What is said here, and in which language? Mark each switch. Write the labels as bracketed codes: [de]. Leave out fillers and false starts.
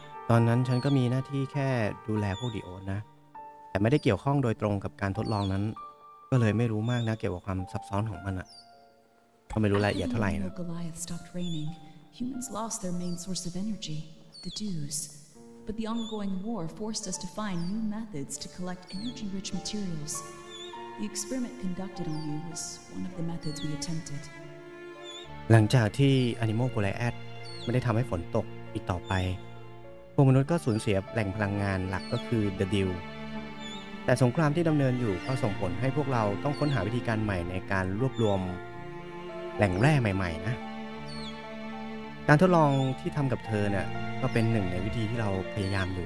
[th] ตอนนั้นฉันก็มีหน้าที่แค่ดูแลพวกดีโอนะแต่ไม่ได้เกี่ยวข้องโดยตรงกับการทดลองนั้นก็เลยไม่รู้มากนะเกี่ยวกับความซับซ้อนของมันอะก็ไม่รู้รายละเอียดเท่าไหร่นะ [en] Goliath stopped raining humans lost their main source of energy the dews but the ongoing war forced us to find new methods to collect energy rich materialsThe experiment conducted on you was one of the methods we attempted. [th] หลังจากที่ Animal Goliath ไม่ได้ทำให้ฝนตกอีกต่อไปพวกมนุษย์ก็สูญเสียแหล่งพลังงานหลักก็คือ The Dew แต่สงครามที่ดำเนินอยู่ก็ส่งผลให้พวกเราต้องค้นหาวิธีการใหม่ในการรวบรวมแหล่งแร่ใหม่ๆนะการทดลองที่ทำกับเธอเนี่ยก็เป็นหนึ่งในวิธีที่เราพยายามอยู